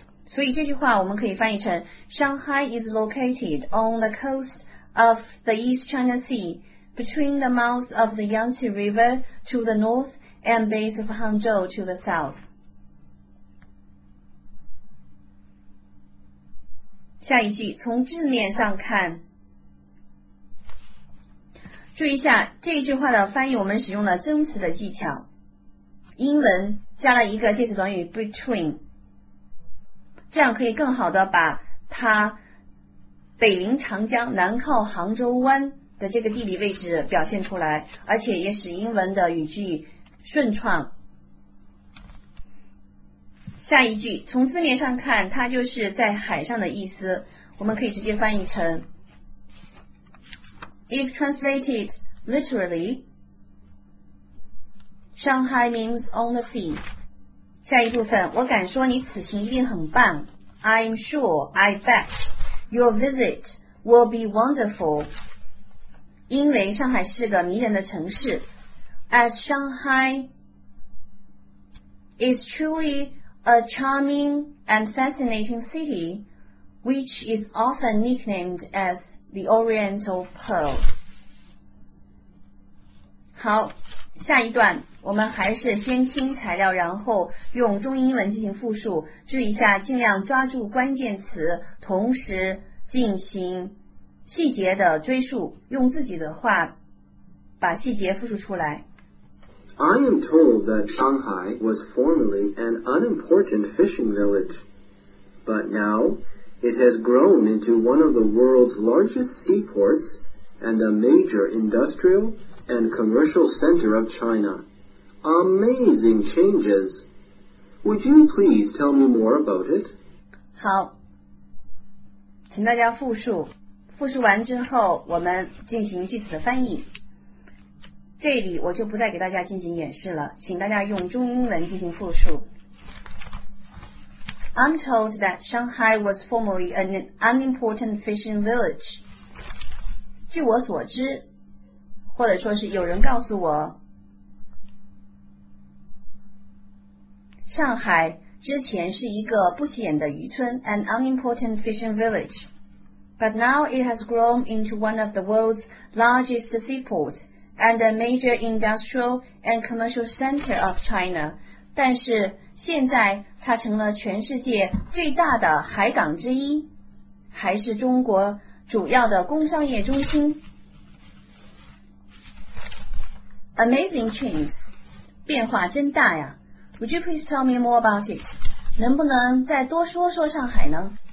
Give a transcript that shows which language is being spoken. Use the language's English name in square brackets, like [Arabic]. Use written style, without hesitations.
[Chinese] 所以这句话我们可以翻译成 [English] Shanghai is located on the coast of the East China Sea,between the mouth of the Yangtze River to the north and base of Hangzhou to the south. [Chinese] 下一句，从字面上看，注意一下这一句话的翻译，我们使用了增词的技巧。英文加了一个介词短语 between, 这样可以更好的把它北临长江，南靠杭州湾的这个地理位置表现出来，而且也使英文的语句顺畅。下一句，从字面上看，它就是在海上的意思，我们可以直接翻译成 [English] If translated literally, Shanghai means on the sea. [Chinese] 下一部分，我敢说你此行一定很棒。 [English] I'm sure, I bet your visit will be wonderful. [Chinese] 因为上海是个迷人的城市。 [English] As Shanghai is truly a charming and fascinating city, which is often nicknamed as the Oriental Pearl. [Chinese] 好，下一段我们还是先听材料，然后用中英文进行复述，注意一下尽量抓住关键词，同时进行细节的追溯，用自己的话把细节复述出来。 [English] I am told that Shanghai was formerly an unimportant fishing village, but now it has grown into one of the world's largest seaports and a major industrial and commercial center of China. Amazing changes! Would you please tell me more about it? [Chinese] 好，请大家复述。复述完之后，我们进行句子的翻译。这里我就不再给大家进行演示了，请大家用中英文进行复述。 [English] I'm told that Shanghai was formerly an unimportant fishing village. [Chinese] 据我所知，或者说是有人告诉我，上海之前是一个不起眼的渔村 ， [English] an unimportant fishing village. But now it has grown into one of the world's largest seaports and a major industrial and commercial center of China. [Chinese] 但是现在它成了全世界最大的海港之一，还是中国主要的工商业中心。 [English] Amazing change. [Chinese] 变化真大呀。 [English] Would you please tell me more about it? [Chinese] 能不能再多说说上海呢？